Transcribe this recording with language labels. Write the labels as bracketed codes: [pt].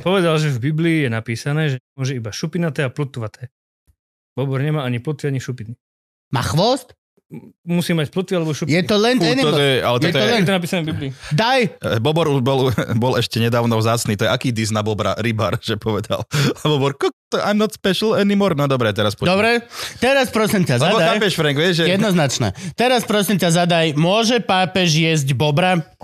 [sk] Povedal, že v Biblii je napísané, že môže iba šupinaté a plutvaté. Bobor nemá ani plutvy, ani šupiny. Má chvost? Musí mať plutvy alebo šupiny. Je to len animal. To je napísané v Biblii. Daj! Bobor už bol ešte nedávno vzácny. To je aký dis na bobra, rybar, že povedal. A bobor, [en] I'm not special anymore. [sk] No dobre, teraz poďme. Dobre, teraz prosím ťa, zadaj. Lebo pápež, Frank, vieš, že... Jednoznačné. Teraz prosím ťa, zadaj, môže pápež jesť bobra?